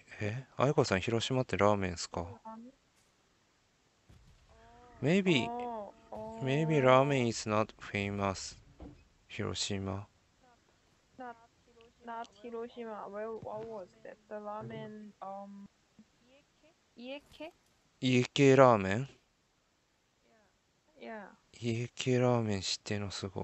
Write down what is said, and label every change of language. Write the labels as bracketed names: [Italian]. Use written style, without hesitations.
[Japanese] え、あやこさん、広島ってラーメンですか？ [English] Maybe maybe ラーメン is not famous 広島。 Not 広島。Well, what was that? The ramen, 家系 [Japanese] ラーメン。 [English] Yeah, [Japanese] 家系ラーメン知ってんの、すご